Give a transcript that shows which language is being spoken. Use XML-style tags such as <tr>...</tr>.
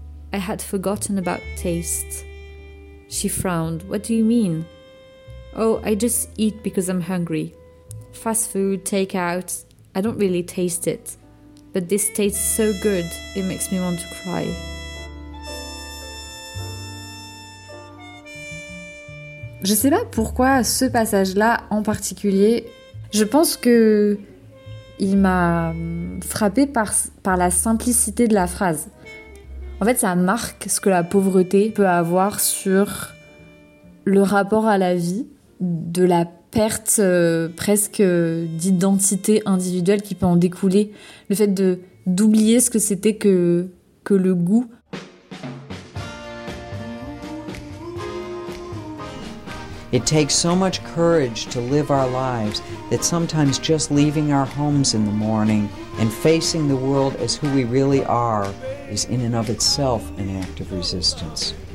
<en>I had forgotten about taste. She frowned. What do you mean? Oh, I just eat because I'm hungry. Fast food, takeout, I don't really taste it. But this tastes so good, it makes me want to cry.</en> <fr>Je sais pas pourquoi ce passage-là en particulier. Je pense que il m'a frappée par la simplicité de la phrase. En fait, ça marque ce que la pauvreté peut avoir sur le rapport à la vie, de la perte presque d'identité individuelle qui peut en découler, le fait d'oublier ce que c'était que le goût.</fr> <en>It takes so much courage to live our lives that sometimes just leaving our homes in the morning and facing the world as who we really are is in and of itself an act of resistance.</en>